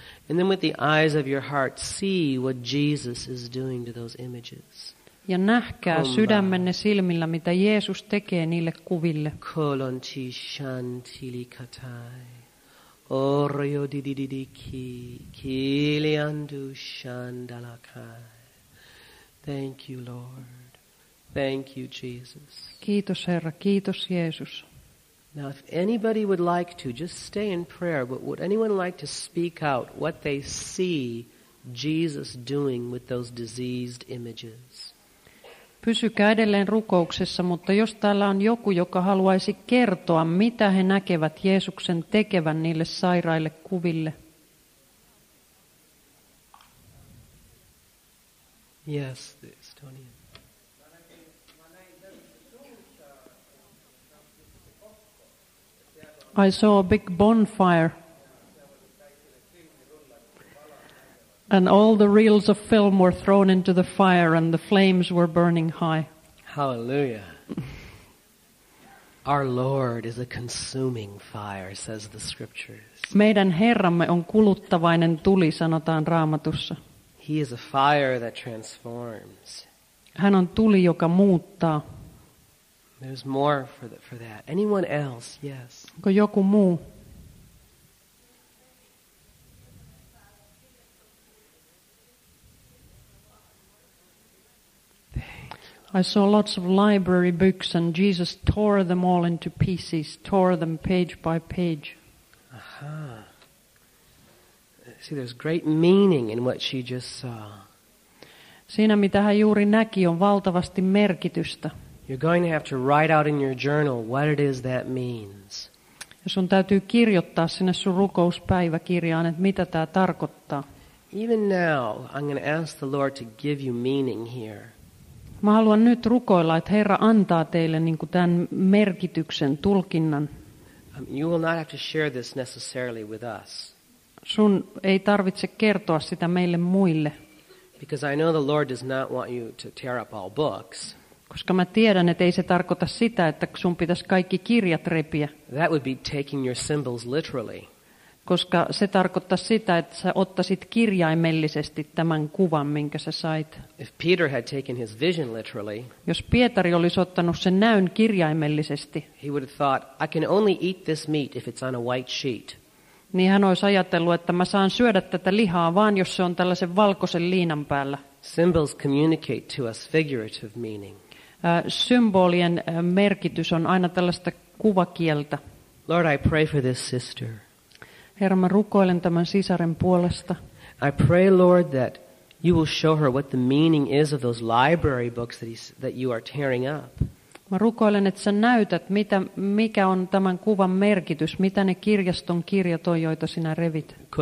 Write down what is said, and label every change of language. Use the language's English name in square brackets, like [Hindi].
[English] And then with the eyes of your heart, see what Jesus is doing to those images. [Finnish] Ja nähkää sydämenne silmillä, mitä Jeesus tekee niille kuville. Kolonti shantili katai. Orjo dididiki. Kiliandu shandalakai. [English] Thank you, Lord. Thank you, Jesus. [Finnish] Kiitos, Herra. Kiitos, Jeesus. [English] Now, if anybody would like to, just stay in prayer, but would anyone like to speak out what they see Jesus doing with those diseased images? [Finnish] Pysykää edelleen rukouksessa, mutta jos täällä on joku, joka haluaisi kertoa, mitä he näkevät Jeesuksen tekevän niille sairaille kuville. [English] Yes, the Estonian. I saw a big bonfire. And all the reels of film were thrown into the fire and the flames were burning high. Hallelujah. Our Lord is a consuming fire, says the scriptures. [Finnish] Meidän Herramme on kuluttavainen tuli, sanotaan Raamatussa. [English] He is a fire that transforms. [Finnish] Hän on tuli, joka muuttaa. [English] There's more for that. Anyone else? Yes. [Finnish] Onko joku muu? [English] I saw lots of library books and Jesus tore them all into pieces, tore them page by page. Aha. See, there's great meaning in what she just saw. [Finnish] Siinä, mitä hän juuri näki, on valtavasti merkitystä. [English] You're going to have to write out in your journal what it is that means. [Finnish] Ja sun täytyy kirjoittaa sinne sun rukouspäiväkirjaan, että mitä tämä tarkoittaa. [English] Even now, I'm going to ask the Lord to give you meaning here. [Finnish] Mä haluan nyt rukoilla, että Herra antaa teille niin kuin tämän merkityksen, tulkinnan. [English] You will not have to share this necessarily with us. [Finnish] Sun ei tarvitse kertoa sitä meille muille. [English] Because I know the Lord does not want you to tear up all books. [Finnish] Koska mä tiedän, että ei se tarkoita sitä, että sun pitäisi kaikki kirjat repiä. [English] That would be taking your symbols literally. [Finnish] Koska se tarkoittaa sitä, että sä ottaisit kirjaimellisesti tämän kuvan, minkä sä sait. [English] If Peter had taken his vision literally, [Finnish] jos Pietari olisi ottanut sen näyn kirjaimellisesti, [English] he would have thought, I can only eat this meat if it's on a white sheet. [Finnish] Niin hän olisi ajatellut, että mä saan syödä tätä lihaa vaan, jos se on tällaisen valkoisen liinan päällä. [English] Symbols communicate to us figurative meaning. [Finnish] Symbolien merkitys on aina tällaista kuvakieltä. [English] Lord, I pray for this sister. [Finnish] Herra, mä rukoilen tämän sisaren puolesta. [English] I pray, Lord, that you will show her what the meaning is of those library books that you are tearing up. [Finnish] Mä rukoilen, että sä näytät, mikä on tämän kuvan merkitys, mitä ne kirjaston kirjat on, joita sinä revit.